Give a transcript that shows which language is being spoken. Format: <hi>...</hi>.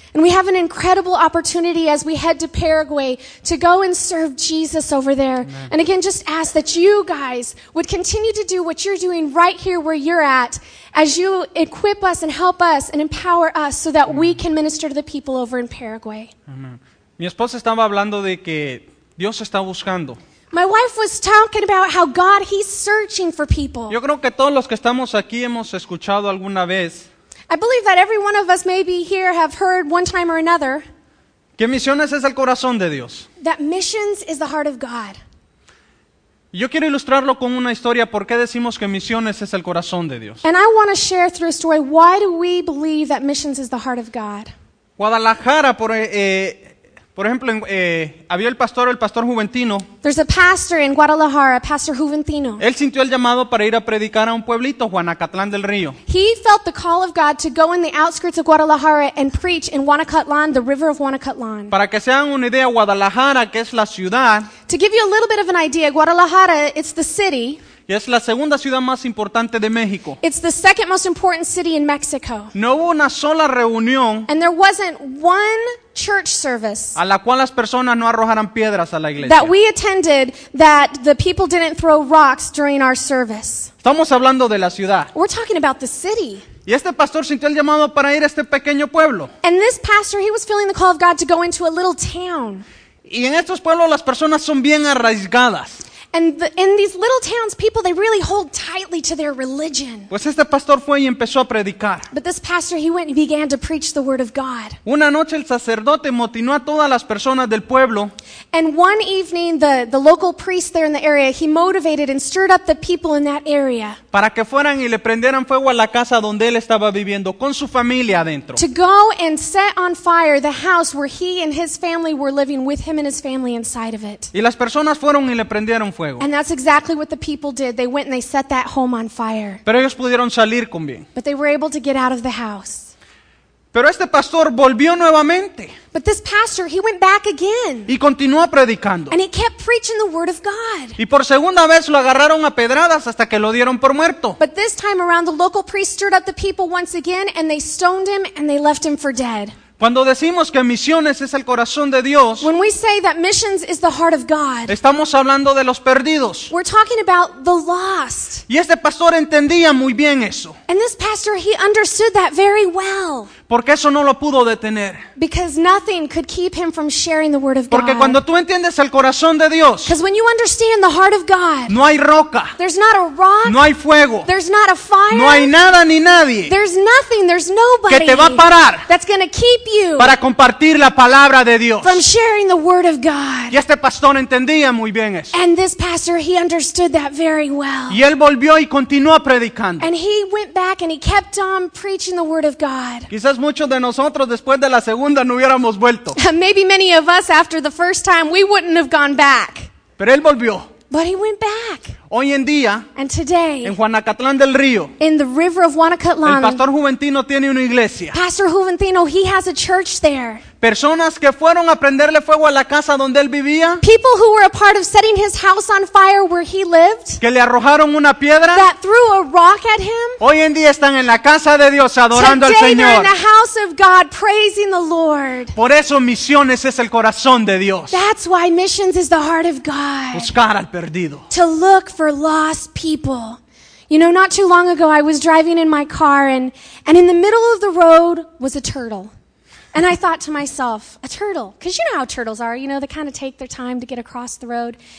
<en>And we have an incredible opportunity as we head to Paraguay to go and serve Jesus over there. Amen. And again, just ask that you guys would continue to do what you're doing right here where you're at, as you equip us and help us and empower us so that we can minister to the people over in Paraguay. Amen.</en> <es>Mi esposa estaba hablando de que Dios está buscando.</es> <en>My wife was talking about how God, he's searching for people.</en> <es>Yo creo que todos los que estamos aquí hemos escuchado alguna vez.</es> <en>I believe that every one of us maybe here have heard one time or another.</en> <es>Que misiones es el corazón de Dios.</es> <en>That missions is the heart of God.</en> <es>Yo quiero ilustrarlo con una historia por qué decimos que misiones es el corazón de Dios.</es> <en>And I want to share through a story why do we believe that missions is the heart of God.</en> <es>Guadalajara, por ejemplo, había el pastor Juventino.</es> <en>There's a pastor in Guadalajara, Pastor Juventino.</en> <es>Él sintió el llamado para ir a predicar a un pueblito, Juanacatlán del Río.</es> <en>He felt the call of God to go in the outskirts of Guadalajara and preach in Juanacatlán, the river of Juanacatlán.</en> <es>Para que se hagan una idea, Guadalajara, que es la ciudad.</es> <en>To give you a little bit of an idea, Guadalajara, it's the city.</en> <es>Y es la segunda ciudad más importante de México.</es> <en>It's the second most important city in Mexico.</en> <es>No hubo una sola reunión.</es> <en>And there wasn't one church service.</en> <es>A la cual las personas no arrojaran piedras a la iglesia.</es> <en>That we attended that the people didn't throw rocks during our service.</en> <es>Estamos hablando de la ciudad.</es> <en>We're talking about the city.</en> <es>Y este pastor sintió el llamado para ir a este pequeño pueblo.</es> <en>And this pastor, he was feeling the call of God to go into a little town.</en> <es>Y en estos pueblos las personas son bien arraigadas.</es> <en>And in these little towns, people, they really hold tightly to their religion.</en> <es>Pues este pastor fue y empezó a predicar.</es> <en>But this pastor, he went and began to preach the word of God.</en> <es>Una noche el sacerdote motinó a todas las personas del pueblo.</es> <en>And one evening, the local priest there in the area, he motivated and stirred up the people in that area.</en> <es>Para que fueran y le prendieran fuego a la casa donde él estaba viviendo, con su familia adentro.</es> <en>To go and set on fire the house where he and his family were living with him and his family inside of it.</en> <es>Y las personas fueron y le prendieron fuego.</es> <en>And that's exactly what the people did. They went and they set that home on fire.</en> <es>Pero ellos pudieron salir con bien.</es> <en>But they were able to get out of the house.</en> <es>Pero este pastor volvió nuevamente.</es> <en>But this pastor, he went back again.</en> <es>Y continuó predicando.</es> <en>And he kept preaching the word of God.</en> <es>Y por segunda vez lo agarraron a pedradas hasta que lo dieron por muerto.</es> <en>But this time around, the local priest stirred up the people once again and they stoned him and they left him for dead.</en> <es>Cuando decimos que misiones es el corazón de Dios,</es> <en>when we say that missions is the heart of God,</en> <es>estamos hablando de los perdidos.</es> <en>We're talking about the lost.</en> <es>Y este pastor entendía muy bien eso.</es> <en>And this pastor, he understood that very well.</en> <es>Porque eso no lo pudo detener.</es> <en>Because nothing could keep him from sharing the word of God.</en> <es>Porque cuando tú entiendes el corazón de Dios,</es> <en>because when you understand the heart of God,</en> <es>no hay roca,</es> <en>there's not a rock,</en> <es>no hay fuego,</es> <en>there's not a fire,</en> <es>no hay nada ni nadie,</es> <en>there's nothing, there's nobody</en> <es>que te va a parar,</es> <en>that's going to keep you</en> <es>para compartir la palabra de Dios,</es> <en>from sharing the word of God.</en> <es>Y este pastor entendía muy bien eso.</es> <en>And this pastor, he understood that very well.</en> <es>Y él volvió y continuó predicando.</es> <en>And he went back and he kept on preaching the word of God.</en> <es>Quizás muchos de nosotros después de la segunda no hubiéramos vuelto.</es> <en>Maybe many of us after the first time we wouldn't have gone back.</en> <es>Pero él volvió.</es> <en>But he went back.</en> <es>Hoy en día,</es> <en>and today,</en> <es>en Juanacatlán del Río,</es> <en>in the river of Juanacatlán,</en> <es>el pastor Juventino tiene una iglesia.</es> <en>Pastor Juventino, he has a church there.</en> <es>Personas que fueron a prenderle fuego a la casa donde él vivía.</es> <en>People who were a part of setting his house on fire where he lived.</en> <es>Que le arrojaron una piedra.</es> <en>That threw a rock at him.</en> <es>Hoy en día están en la casa de Dios adorando</es> <en>today</en> <es>al Señor.</es> <en>They're in the house of God praising the Lord.</en> <es>Por eso misiones es el corazón de Dios.</es> <en>That's why missions is the heart of God.</en> <es>Buscar al perdido.</es> <en>To look for lost people. You know, not too long ago I was driving in my car and in the middle of the road was a turtle. And I thought to myself, a turtle, because you know how turtles are, you know, they kind of take their time to get across the road.</en>